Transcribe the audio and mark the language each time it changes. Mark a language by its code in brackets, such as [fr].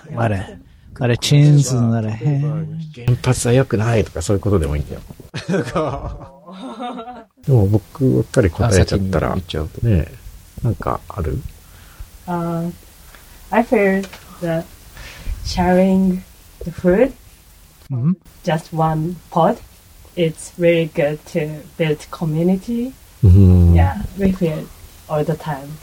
[en] A lot of chins and a lot of hair. [ja] 原発は良くないとかそういうことでもいいんだよ。でも僕ばっかり答えちゃったら言っちゃうとね。なんかある？ [en] I feel the sharing the food just one pot. It's really good to build community. Yeah, we feel all the time.